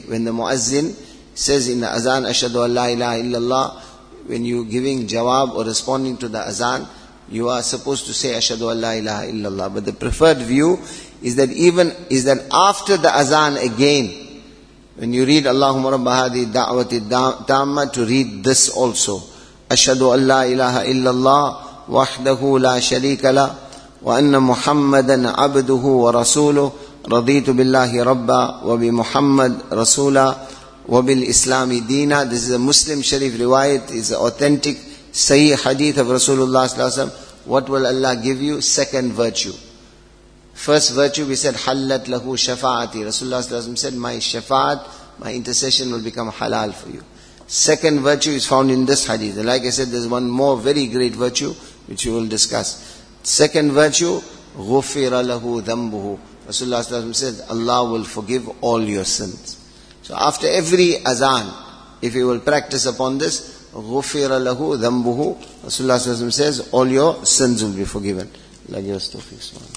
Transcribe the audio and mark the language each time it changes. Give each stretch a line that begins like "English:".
English: When the muazzin says in the azan,
Arabic: Ashhadu an la ilaha illallah,
English: when you giving jawab or responding to the azan, you are supposed to say, Ashhadu an la ilaha illallah. But the preferred view is that after the azan again, when you read
Arabic: Allahumma rabba hadhi da'wati tamma,
English: to read this also.
Arabic: Ashhadu an la ilaha illallah, wahdahu la sharika la, وَأَنَّ مُحَمَّدًا عَبْدُهُ وَرَسُولُهُ رَضِيتُ بِاللَّهِ رَبَّا وَبِمُحَمَّدْ رَسُولًا وَبِالْإِسْلَامِ دِينًا.
English: This is a Muslim Sharif riwayat. It's an authentic, sahih hadith of Rasulullah sallallahu alaihi wasallam. What will Allah give you? Second virtue. First virtue, we said,
Arabic: حَلَّتْ لَهُ شَفَاعَتِي.
English: Rasulullah صلى الله عليه وسلم said, my shafa'at, my intercession will become halal for you. Second virtue is found in this hadith. Like I said, there's one more very great virtue, which we will discuss.
Arabic: Second virtue, غُفِرَ لَهُ ذَنْبُهُ.
English: Rasulullah صلى الله عليه وسلم said, Allah will forgive all your sins. So after every azan, if you will practice upon this,
Arabic: غُفِرَ لَهُ ذَنْبُهُ,
English: Rasulullah صلى الله عليه وسلم says, all your sins will be forgiven. Allah give us tawfiq.